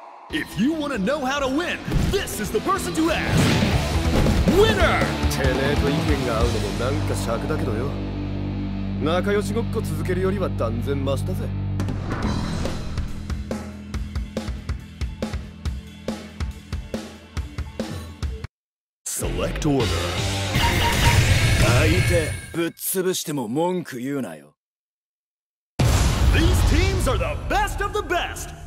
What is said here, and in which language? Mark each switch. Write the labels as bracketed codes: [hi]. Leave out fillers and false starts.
[en] If you want to know how to win, this is the person to ask! Winner! [ja] てめえと意見が合うのもなんか尺だけどよ。仲良しごっこ続けるよりは断然マシだぜ。 [en] Select order. [ja] 相手ぶっ潰しても文句言うなよ。 [en] These teams are the best of the best!